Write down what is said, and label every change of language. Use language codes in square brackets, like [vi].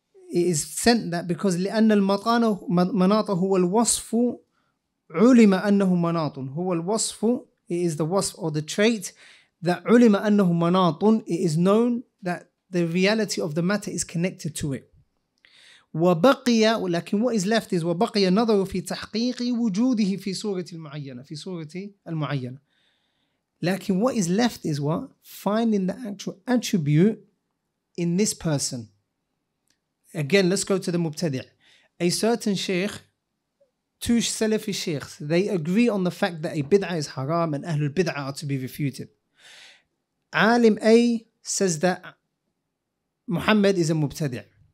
[en] It is sent that because [ar] لِأَنَّ الْمَطَانَ مَنَاطَ هُوَ الْوَصْفُ عُلِمَ أَنَّهُ مَنَاطٌ [en] هُوَ الْوَصْفُ, it is the wasf or the trait that عُلِمَ أَنَّهُ مَنَاطٌ, it is known that the reality of the matter is connected to it. [ar] وَبَقِيَ, لكن [en] what is left is [ar] وَبَقِيَ نَظَرُ فِي تَحْقِيقِ وُجُودِهِ فِي سُورَةِ الْمُعَيَّنَةِ فِي سُورَةِ الْمُعَيَّنَةِ, لكن [en] what is left is what? Finding the actual attribute in this person. Again, let's go to the مبتدع. A certain sheikh, two Salafi sheikhs, they agree on the fact that a bid'ah is haram and Ahlul Bid'ah are to be refuted. Alim A says that Muhammad is a mubtadi'.